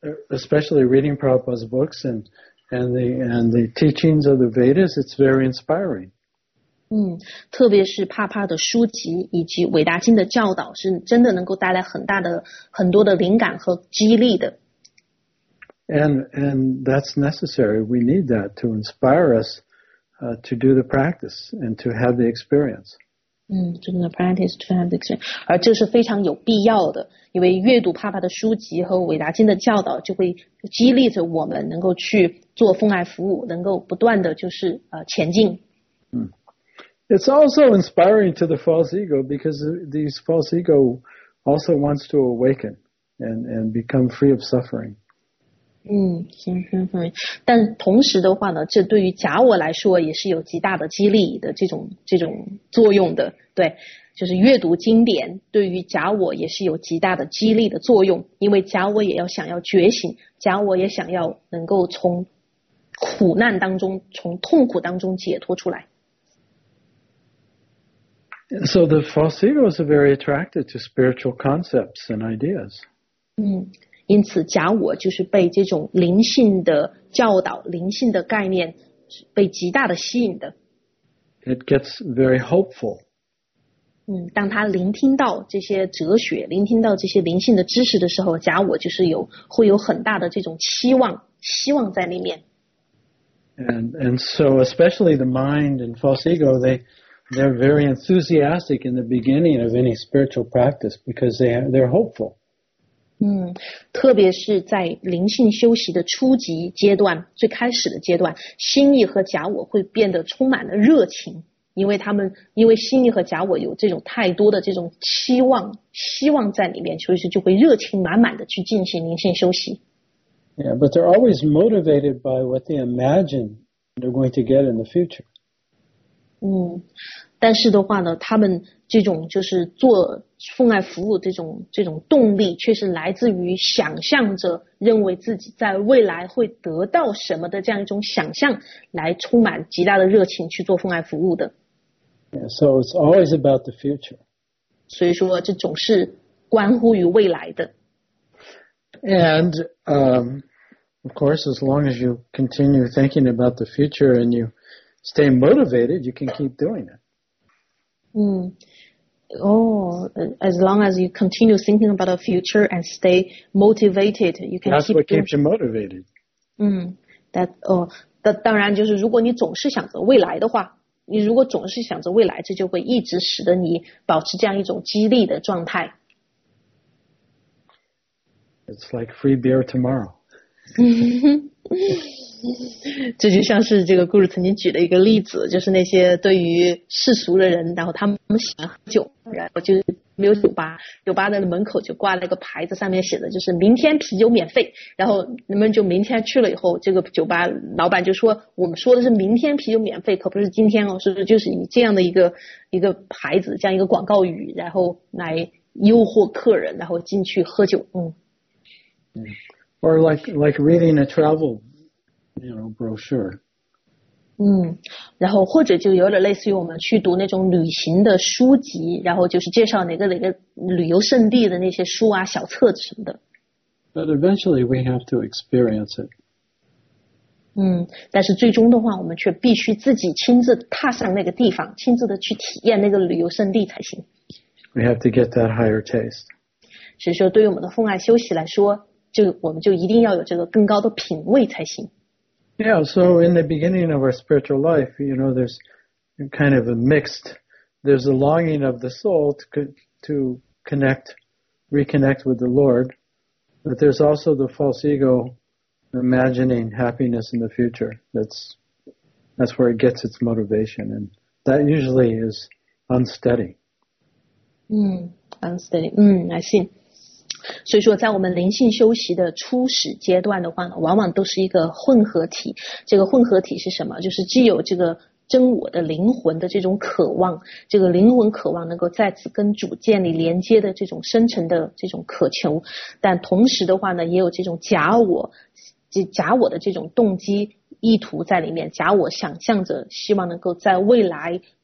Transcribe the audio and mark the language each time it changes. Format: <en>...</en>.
<en>Especially reading Prabhupada's books and the teachings of the Vedas, it's very inspiring.</en> <zh>嗯，特别是帕帕的书籍以及伟达经的教导，是真的能够带来很多的灵感和激励的。</zh> <en>And that's necessary. We need that to inspire us, to do the practice and to have the experience. 嗯 ，to do the practice, to have the experience.</en> <zh>而这是非常有必要的，因为阅读帕帕的书籍和伟达经的教导，就会激励着我们能够去做奉爱服务，能够不断的就是前进。</zh> <en>嗯 ，It's also inspiring to the false ego because these false ego also wants to awaken and become free of suffering.</en> <zh>嗯，但同时的话呢，这对于假我来说也是有极大的激励的这种作用的，对。就是阅读经典对于假我也是有极大的激励的作用，因为假我也要想要觉醒，假我也想要能够从苦难当中，从痛苦当中解脱出来。</zh> <en>So the false ego is very attracted to spiritual concepts and ideas.</en> <zh>嗯，因此假我就是被这种灵性的教导，灵性的概念被极大的吸引的。</zh> <en>It gets very hopeful.</en> <zh>嗯，当他聆听到这些哲学，聆听到这些灵性的知识的时候，假我就是会有很大的这种希望在里面。</zh> <en>And so especially the mind and false ego, they're very enthusiastic in the beginning of any spiritual practice because they're hopeful.</en> <zh>嗯，特别是在灵性修习的初级阶段，最开始的阶段，心意和假我会变得充满了热情。因为心意和假我有这种太多的这种希望在里面，所以就会热情满满的去进行灵性修习。</zh> <en>Yeah, but they're always motivated by what they imagine they're going to get in the future.</en> <zh>嗯，但是的话呢，他们这种就是做奉爱服务这种动力，却是来自于想象着认为自己在未来会得到什么的这样一种想象，来充满极大的热情去做奉爱服务的。</zh> <en>Yeah, so it's always about the future.</en> <zh>所以说这总是关乎于未来的。</zh> <en>And, of course, as long as you continue thinking about the future and you stay motivated, you can keep doing it. 嗯, oh, as long as you continue thinking about the future and stay motivated, you can keep doing it. That's what keeps you motivated.</en> <zh>嗯, that, 当然就是如果你总是想着未来的话，你如果总是想着未来，这就会一直使得你保持这样一种激励的状态。</zh> <en>It's like free beer tomorrow.</en> <zh>这就像是这个故事曾经举的一个例子，就是那些对于世俗的人，然后他们喜欢喝酒，然后就没有酒吧的门口就挂了一个牌子，上面写的就是明天啤酒免费，然后人们就明天去了以后，这个酒吧老板就说我们说的是明天啤酒免费，可不是今天哦，是不是就是以这样的一个牌子，这样一个广告语，然后来诱惑客人，然后进去喝酒。嗯。</zh> <en>Or like reading a travel, you know, brochure.</en> <zh>嗯，然后或者就有点类似于我们去读那种旅行的书籍，然后就是介绍哪个旅游胜地的那些书啊、小册子什么的。</zh> <en>But eventually we have to experience it.</en> <zh>嗯，但是最终的话，我们却必须自己亲自踏上那个地方，亲自的去体验那个旅游胜地才行。</zh> <en>We have to get that higher taste.</en> <zh>所以说，对于我们的奉爱修习来说，就我们就一定要有这个更高的品味才行。</zh> <en>Yeah, so in the beginning of our spiritual life, you know, there's kind of a mixed, there's a longing of the soul to connect reconnect with the Lord, but there's also the false ego imagining happiness in the future. That's where it gets its motivation, and that usually is unsteady. I see.</en> <zh>所以说在我们灵性修习的初始阶段的话呢，往往都是一个混合体。这个混合体是什么？就是既有这个真我的灵魂的这种渴望，这个灵魂渴望能够再次跟主建立连接的这种深层的这种渴求，但同时的话呢，也有这种假我的这种动机意图在里面，假我想象着希望能够在未来</zh>